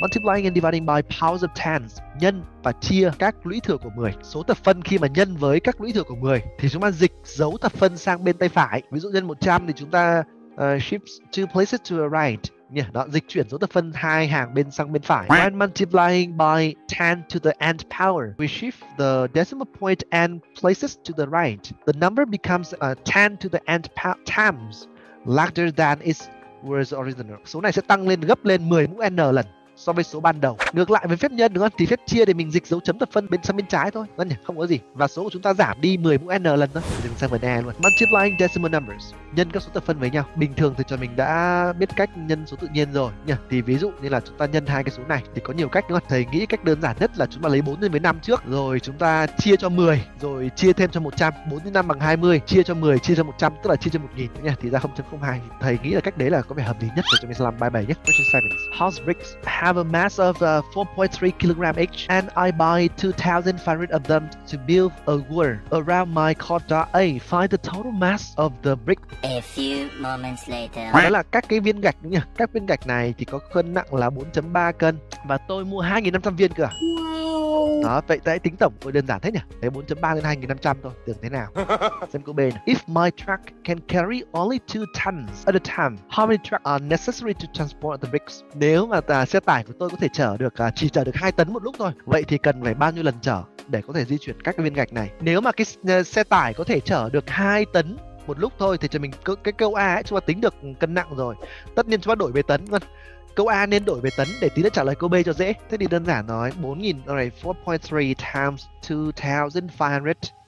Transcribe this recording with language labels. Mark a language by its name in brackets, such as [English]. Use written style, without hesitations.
[English] Multiplying and dividing by powers of tens, [Vietnamese] nhân và chia các lũy thừa của 10. Số thập phân khi mà nhân với các lũy thừa của 10 thì chúng ta dịch dấu thập phân sang bên tay phải. Ví dụ nhân 100 thì chúng ta [English] shifts two places to the right. [Vietnamese] Yeah, đó, dịch chuyển dấu thập phân hai hàng bên sang bên phải. [English] When multiplying by 10 to the nth power, we shift the decimal point and places to the right. The number becomes 10 to the nth times larger than its was original. [Vietnamese] Số này sẽ tăng lên gấp lên 10 mũ n lần so với số ban đầu. Ngược lại với phép nhân, đúng không? Thì phép chia thì mình dịch dấu chấm thập phân bên sang bên trái thôi, đúng không? Không có gì. Và số của chúng ta giảm đi 10 mũ n lần thôi. Dừng sang phần E luôn. [English] Multiplying decimal numbers, [Vietnamese] nhân các số thập phân với nhau. Bình thường thì cho mình đã biết cách nhân số tự nhiên rồi nhỉ. Thì ví dụ như là chúng ta nhân hai cái số này thì có nhiều cách, đúng không? Thầy nghĩ cách đơn giản nhất là chúng ta lấy 4 nhân với 5 trước, rồi chúng ta chia cho 10, rồi chia thêm cho 100. 4 nhân 5 bằng 20, chia cho 10, chia cho 100, tức là chia cho 1000 nhỉ. Thì ra 0.02. Thầy nghĩ là cách đấy là có vẻ hợp lý nhất để cho mình làm bài 7 nhé. [English] Question 7. House bricks have a mass of 4.3 kilogram each and I buy 2,500 of them to build a wall around my courtyard A. Find the total mass of the brick. A few moments later. [Vietnamese] Đó là các cái viên gạch nhỉ. Các viên gạch này thì có cân nặng là 4.3 cân và tôi mua 2,500 viên cơ. Đó, vậy tại tính tổng thôi đơn giản thế nhỉ. Đấy, 4.3 lên 2,500 thôi, tưởng thế nào. Xem câu B này. [English] If my truck can carry only 2 tons at a time, how many trucks are necessary to transport the bricks? [Vietnamese] Nếu mà xe tải của tôi có thể chở được chỉ chở được 2 tấn một lúc thôi, vậy thì cần phải bao nhiêu lần chở để có thể di chuyển các cái viên gạch này? Nếu mà cái xe tải có thể chở được 2 tấn một lúc thôi thì cho mình cái câu A ấy, chúng ta tính được cân nặng rồi. Tất nhiên chúng ta đổi về tấn luôn. Câu A nên đổi về tấn để tí nữa trả lời câu B cho dễ. Thế thì đơn giản nói 4.000, [English] alright, 4.3 times 2,500.